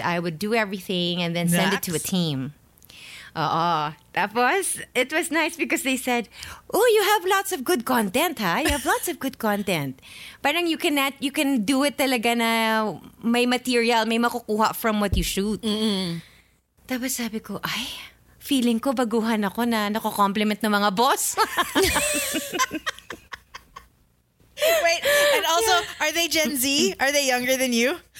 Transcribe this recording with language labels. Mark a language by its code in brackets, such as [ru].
[en] I would do everything and then send it to a team. It was nice because they said, oh, you have lots of good content, huh? You have lots of good content. Parang you can do it talaga [tl] na may material, may makukuha [en] from what you shoot. Mm-hmm. [tl] Tapos sabi ko, ay, feeling ko baguhan ako na nakukompliment ng mga boss. [en] Wait, and also, are they Gen Z? Are they younger than you?